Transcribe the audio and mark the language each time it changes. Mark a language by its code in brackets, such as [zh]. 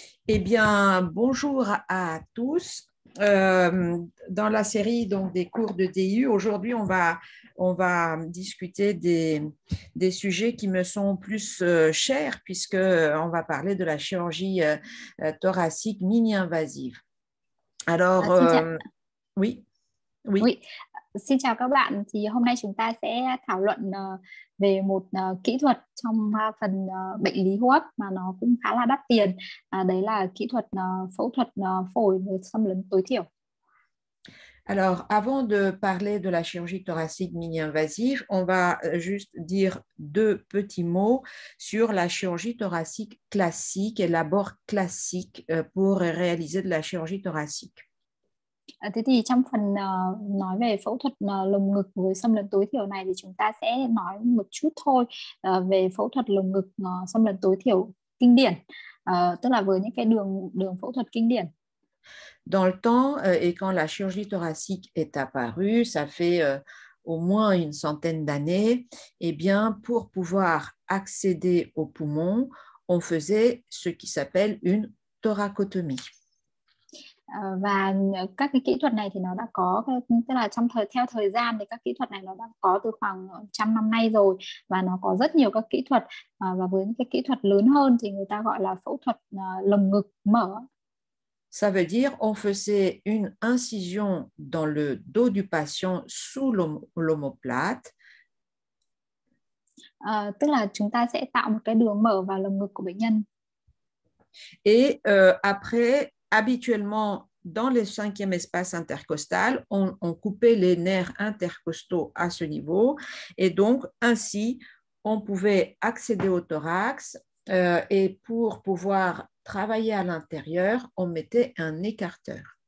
[fr] Eh bien, bonjour à tous. Dans la série donc des cours de DU, aujourd'hui on va discuter des sujets qui me sont plus chers puisque on va parler de la chirurgie thoracique mini-invasive. Alors, [vi] Xin chào. [fr] oui. [vi] Oui. Xin chào các bạn. Thì hôm nay chúng ta sẽ thảo luận về một kỹ thuật trong phần bệnh lý hô hấp mà nó cũng khá là đắt tiền. Đấy là kỹ thuật phẫu thuật phổi với xâm lấn tối thiểu. [fr] Alors, avant de parler de la chirurgie thoracique mini-invasive, on va juste dire deux petits mots sur la chirurgie thoracique classique et l'abord classique pour réaliser de la chirurgie thoracique. [vi] Thế thì trong phần nói về phẫu thuật lồng ngực với xâm lấn tối thiểu này thì chúng ta sẽ nói một chút thôi về phẫu thuật lồng ngực xâm lấn tối thiểu kinh điển, tức là với những cái đường đường phẫu thuật kinh điển. [fr] Dans le temps, et quand la chirurgie thoracique est apparue, ça fait au moins une centaine d'années, eh bien, pour pouvoir accéder au poumon, on faisait ce qui s'appelle une thoracotomie. [vi] Và các cái kỹ thuật này thì nó đã có, tức là trong thời theo thời gian thì các kỹ thuật này nó đã có từ khoảng 100 năm nay rồi, và nó có rất nhiều các kỹ thuật, và với những cái kỹ thuật lớn hơn thì người ta gọi là phẫu thuật lồng ngực mở. [fr] Ça veut dire on faisait une incision dans le dos du patient sous l'omoplate. [vi] Tức là chúng ta sẽ tạo một cái đường mở vào lồng ngực của bệnh nhân. [fr] Et après, habituellement, dans le cinquième espace intercostal, on coupait les nerfs intercostaux à ce niveau. Et donc, ainsi, on pouvait accéder au thorax et pour pouvoir travailler à l'intérieur, on mettait un écarteur.